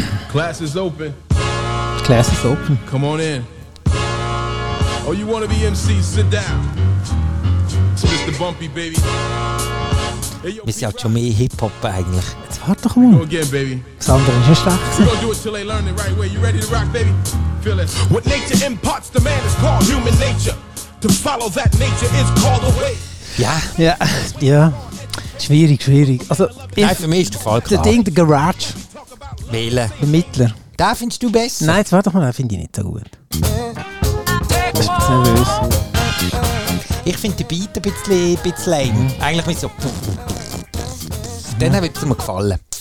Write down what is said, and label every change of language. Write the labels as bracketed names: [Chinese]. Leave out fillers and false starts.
[English] Class is open. Class is open. Come on in. Oh, you wanna be MC? Sit down. It's Mr. Bumpy, baby. [German] Hey, yo, wir sind halt schon mehr Hip-Hop eigentlich. Jetzt warte doch mal. Das andere ist schon stark. [English] We gonna do it till they learn it right way. You ready to rock, baby? Feel it. What nature imparts to man is called human nature. To follow that nature is called a way. [German] Ja. Ja. Ja. Schwierig. Also, nein, für mich ist der Fall klar. Das Ding, der Garage. Wählen. Der Mittler. Den findest du besser? Nein, jetzt warte doch mal, den finde ich nicht so gut. Ich finde die Beat ein bisschen lame. Mhm. Eigentlich mit so. Den hat es mir gefallen.